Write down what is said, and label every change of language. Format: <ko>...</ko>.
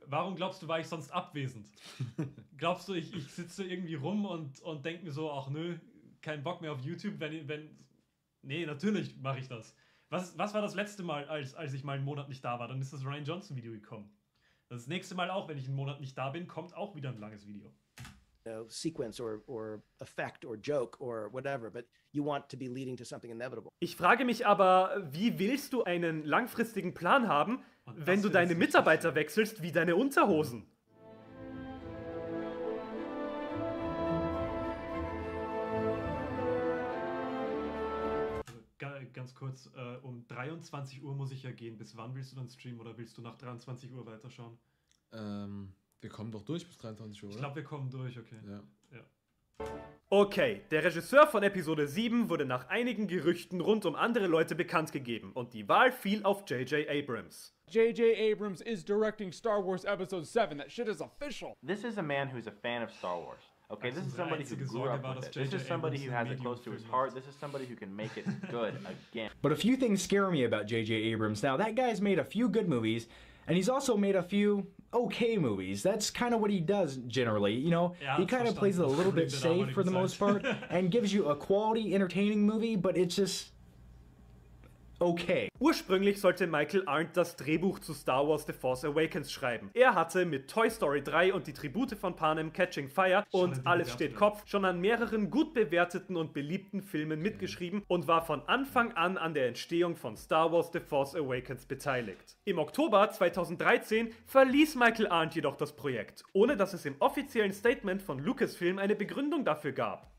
<de>Warum glaubst du, war ich sonst abwesend? Glaubst du, ich sitze irgendwie rum und denke mir so, ach nö, kein Bock mehr auf YouTube, wenn nee, natürlich mache ich das. Was war das letzte Mal, als ich mal einen Monat nicht da war? Dann ist das Rian Johnson Video gekommen. Das nächste Mal auch, wenn ich einen Monat nicht da bin, kommt auch wieder ein langes Video.</de> <en>No sequence or effect or joke or whatever, but you want to be leading to something inevitable.</en> <de>Ich frage mich aber, wie willst du einen langfristigen Plan haben, wenn du deine Mitarbeiter wechselst wie deine Unterhosen? Mhm. Ganz kurz, um 23 Uhr muss ich ja gehen. Bis wann willst du dann streamen oder willst du nach 23 Uhr weiterschauen? Wir kommen doch durch bis 23 Uhr, oder? Ich glaube, wir kommen durch, okay. Ja. Ja. Okay, der Regisseur von Episode 7 wurde nach einigen Gerüchten rund um andere Leute bekannt gegeben und die Wahl fiel auf J.J. Abrams.</de> <en>J.J. Abrams is directing Star Wars Episode 7. That shit is official. This is a man who's a fan of Star Wars. Okay, this is somebody who grew up with it. This is somebody who has it close to his heart. This is somebody who can make it good again. But a few things scare me about J.J. Abrams. Now, that guy's made a few good movies, And he's also made a few okay movies. That's kind of what he does generally, you know? Yeah, he kind of plays it a little bit safe for the most part and gives you a quality, entertaining movie, but it's just okay.</en> <de>Ursprünglich sollte Michael Arndt das Drehbuch zu Star Wars The Force Awakens schreiben. Er hatte mit Toy Story 3 und die Tribute von Panem, Catching Fire und Alles steht Kopf schon an mehreren gut bewerteten und beliebten Filmen mitgeschrieben und war von Anfang an der Entstehung von Star Wars The Force Awakens beteiligt. Im Oktober 2013 verließ Michael Arndt jedoch das Projekt, ohne dass es im offiziellen Statement von Lucasfilm eine Begründung dafür gab.</de>